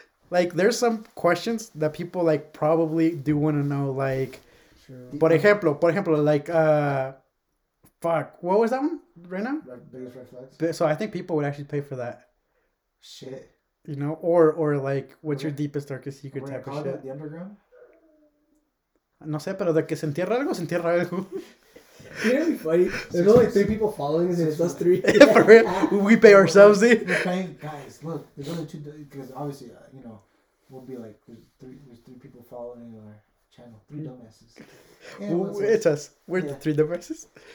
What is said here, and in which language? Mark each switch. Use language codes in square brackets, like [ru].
[en] Like, there's some questions that people, like, probably do want to know. Like, [es] por ejemplo, [en] like, fuck. What was that one right now? Biggest reflex. So, I think people would actually pay for that. Shit. You know? Or like, what's your deepest, darkest secret type of shit? The underground? [es] No sé, pero de que se entierra algo. [en] You know what would be funny? There's only three people following us, and it's us three. For real? We pay ourselves, dude. Guys, look, there's only two, because obviously, you know, we'll be like, there's three people following our channel. Three dumbasses. Yeah, it's us. We're the three dumbasses.